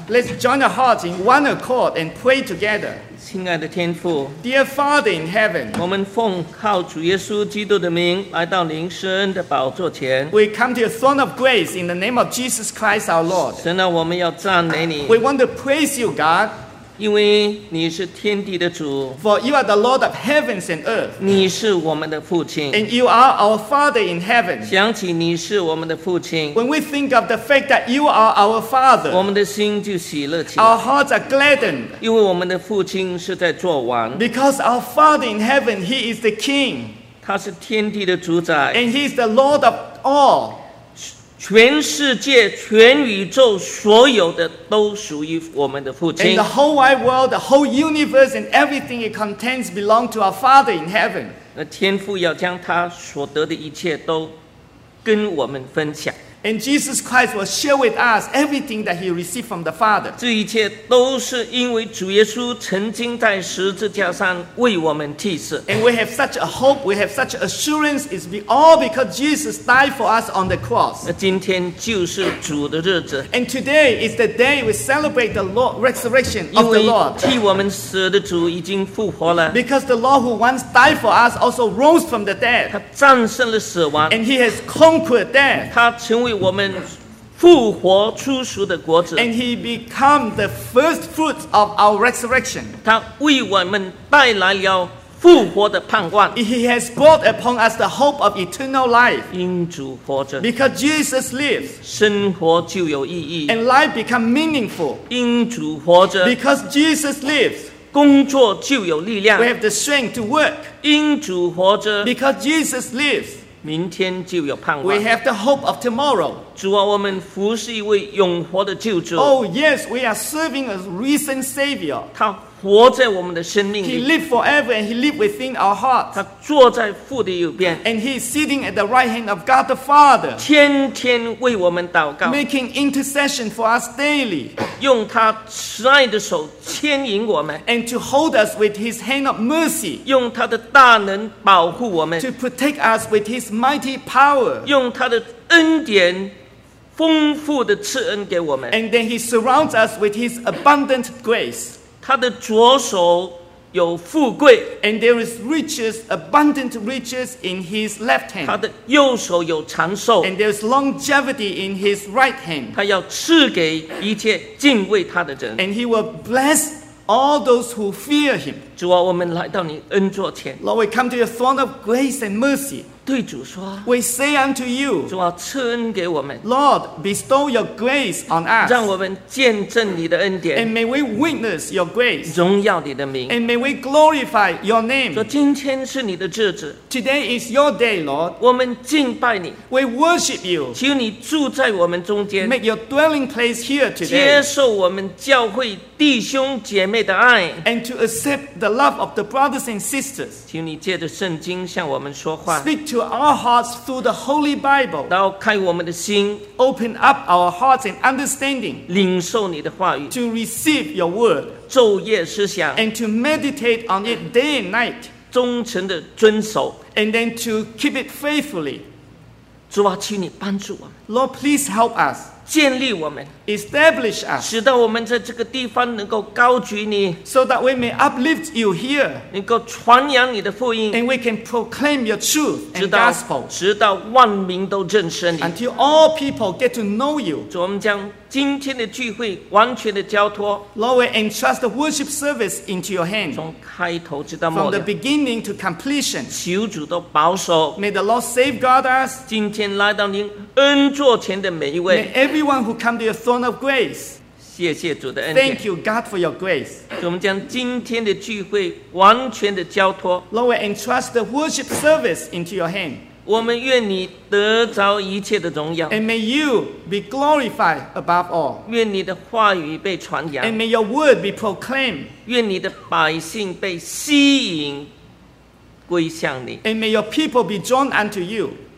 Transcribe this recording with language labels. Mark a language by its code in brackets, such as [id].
[en] Let's join our hearts in one accord and pray together. [zh] 亲爱的天父 [en] Dear Father in heaven, [zh] 我们奉靠主耶稣基督的名来到您施恩的宝座前。 [en] We come to your throne of grace in the name of Jesus Christ our Lord. [zh] 神啊，我们要赞美你。 [en] We want to praise you, God. [zh] 因为你是天地的主 [en] For you are the Lord of heavens and earth [zh] 你是我们的父亲 [en] And you are our father in heaven [zh] 想起你是我们的父亲 [en] When we think of the fact that you are our father [zh] 我们的心就喜乐起来 [en] Our hearts are gladdened [zh] 因为我们的父亲是在作王 [en] Because our father in heaven, he is the king [zh] 他是天地的主宰 [en] And he is the Lord of all [zh] 全世界全宇宙所有的都属于我们的父亲 [en] And the whole wide world, the whole universe and everything it contains belong to our Father in heaven [zh] 那天父要将他所得的一切都跟我们分享。 [en] And Jesus Christ will share with us everything that he received from the Father. [zh] 这一切都是因为主耶稣曾经在十字架上为我们替死。 [en] And we have such a hope, we have such assurance, it's all because Jesus died for us on the cross. [zh] 今天就是主的日子。 [en] And today is the day we celebrate the Lord, resurrection of the Lord. [zh] 替我们死的主已经复活了。 [en] Because the Lord who once died for us also rose from the dead. [zh] 他战胜了死亡。 [en] And he has conquered death. [zh] 他成为我们复活出熟的果子。 [en] And he become the first fruit of our resurrection. [zh] 他为我们带来了复活的盼望。 [en] He has brought upon us the hope of eternal life. [zh] 因主活着。 [en] Because Jesus lives. [zh] 生活就有意义。 [en] And life become meaningful. [zh] 因主活着。 [en] Because Jesus lives. [zh] 工作就有力量。 [en] We have the strength to work. [zh] 因主活着。 [en] Because Jesus lives. [zh] 明天就有盼望。 [en] We have the hope of tomorrow. [zh] 主啊，我们服侍一位永活的救主。 [en] Oh yes, we are serving a risen Savior. [zh] 他活在我们的生命里。 [en] He lives forever and he lives within our hearts. [zh] 他坐在父的右边。 [en] And he is sitting at the right hand of God the Father. [zh] 天天为我们祷告。 [en] Making intercession for us daily. [zh] 用他慈爱的手牵引我们。 [en] And to hold us with his hand of mercy. [zh] 用他的大能保护我们。 [en] To protect us with his mighty power. [zh] 用他的恩典丰富的赐恩给我们。 [en] And then he surrounds us with his abundant grace. [zh] 他的左手有富贵 [en] ，and there is riches, abundant riches in his left hand. [zh] 他的右手有长寿 [en] ，and there is longevity in his right hand. [zh] 他要赐给一切敬畏他的人 [en] ，and he will bless all those who fear him. [zh] 主啊，我们来到你恩座前 [en] ，Lord, we come to your throne of grace and mercy. [zh] 对主说 [en] ，we say unto you, [zh] 主啊，赐恩给我们 [en] ，Lord, bestow your grace on us. [zh] 让我们见证你的恩典 [en] ，and may we witness your grace. [zh] 荣耀你的名 [en] ，and may we glorify your name. [zh] 说今天是你的日子 [en] ，today is your day, Lord. [zh] 我们敬拜你 [en] ，we worship you. [zh] 求你住在我们中间 [en] ，make your dwelling place here today. [zh] 接受我们教会弟兄姐妹的爱 [en] ，and to accept the love of the brothers and sisters. [zh] 求你借着圣经向我们说话 [en] ，speak to our hearts through the Holy Bible. [zh] 打开我们的心 [en] ，open up our hearts and understanding. [zh] 领受你的话语 [en] ，to receive your word. [zh] 昼夜思想 [en] ，and to meditate on it day and night. [zh] 忠诚的遵守 [en] ，and then to keep it faithfully. [zh] 主啊，求你帮助我们。 [en] Lord, please help us. [zh] 建立我们 [en] ，establish us. [zh] 使得我们在这个地方能够高举你 [en] ，so that we may uplift you here. [zh] 能够传扬你的福音 [en] ，and we can proclaim your truth and gospel. [zh] 直到万民都认识你 [en] ，until all people get to know you. [zh] 主，我们将今天的聚会完全的交托 [en] ，Lord, we entrust the worship service into your hand. [zh] 从开头直到末了 [en] ，from the beginning to completion. [zh] 求主都保守 [en] ，may the Lord safeguard us. [zh] 今天来到您恩座前的每一位 [en] ，may everyone who come to your throne of grace. [zh] 谢谢主的恩典 [en] ，thank you God for your grace. [zh] 我们将今天的聚会完全的交托 [en] ，Lord, we entrust the worship service into your hand. [zh] 我们愿你得着一切的荣耀 [en] ，and may you be glorified above all. [zh] 愿你的话语被传扬 [en] ，and may your word be proclaimed. [zh] 愿你的百姓被吸引归向你 [en] ，and may your people be drawn unto you.